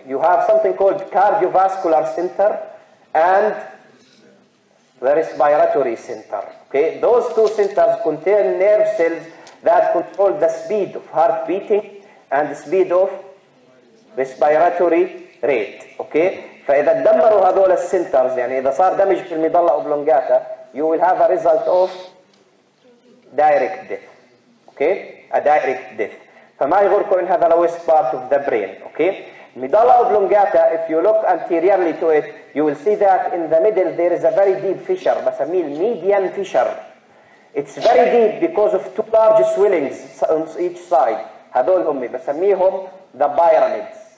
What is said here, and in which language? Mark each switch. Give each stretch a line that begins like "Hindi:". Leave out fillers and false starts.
English: You have something called cardiovascular center and the respiratory center. Okay, those two centers contain nerve cells that control the speed of heart beating and the speed of respiratory rate.
Arabic: Okay, فإذا دمروا هذول السنترز, يعني إذا صار دمج في المدلة أوبلونجاتا,
English: you will have a result of direct death. Okay, a direct death.
Arabic: فما يغركم إن هذا
English: the lowest part of the brain. Okay, medulla oblongata, if you look anteriorly to it, you will see that in the middle there is a very deep fissure,
Arabic: بسميه
English: median fissure. It's very deep because of two large swellings on each side.
Arabic: هذول هم بسميهم
English: the pyramids.